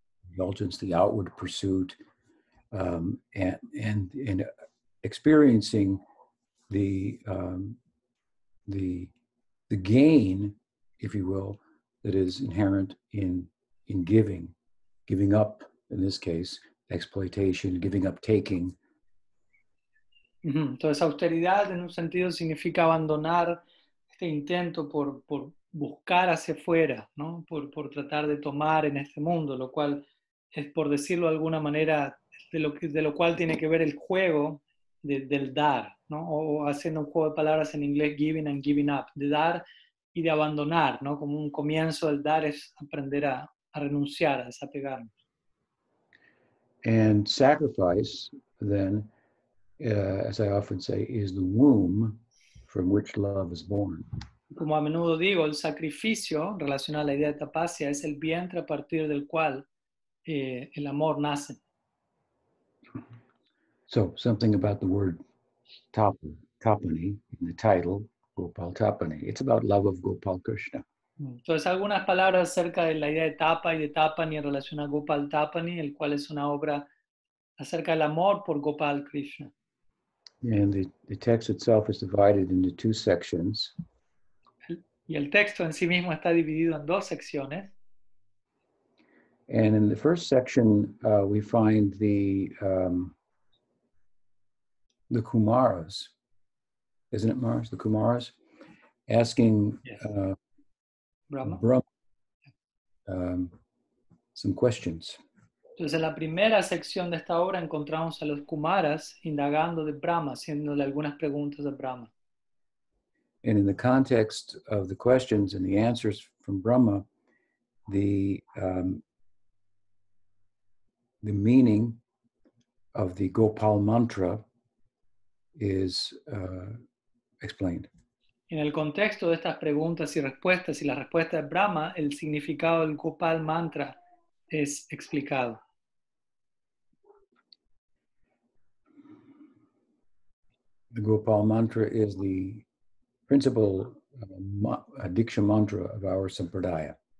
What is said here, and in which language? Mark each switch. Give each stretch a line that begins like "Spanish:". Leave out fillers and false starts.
English: indulgence, the outward pursuit, and experiencing the gain, if you will, that is inherent in giving up, in this case, exploitation, giving up taking.
Spanish: Entonces, austeridad en un sentido significa abandonar este intento por buscar hacia afuera, ¿no? Por tratar de tomar en este mundo, lo cual es, por decirlo de alguna manera, de lo cual tiene que ver el juego del dar, ¿no? O haciendo un juego de palabras en inglés,
English: giving and giving up,
Spanish: de dar y de abandonar, ¿no? Como un comienzo del dar es aprender a renunciar, a desapegarnos.
English: And sacrifice, then, as I often say, is the womb from which love is born.
Spanish: Como a menudo digo, el sacrificio, relacionado a la idea de tapacia, es el vientre a partir del cual el amor nace.
English: So, something about the word Tapani, in the title, Gopal Tapani. It's about love of Gopal Krishna.
Spanish: Entonces, algunas palabras acerca de la idea de tapa y de tapani en relación a Gopal Tapani, el cual es una obra acerca del amor por Gopal Krishna.
English: And the text itself is divided into two sections.
Spanish: Y el texto en sí mismo está dividido en dos secciones.
English: And in the first section, we find the Kumaras, isn't it, Mars? The Kumaras asking Brahma some questions.
Spanish: Entonces, en la primera sección de esta obra encontramos a los Kumaras indagando de Brahma, haciéndole algunas preguntas a Brahma.
English: And in the context of the questions and the answers from Brahma, the meaning of the Gopal mantra is explained.
Spanish: En el contexto de estas preguntas y respuestas y la respuesta de Brahma, el significado del Gopal mantra es explicado.
English: The Gopal mantra is the principal diksha mantra of our sampradaya.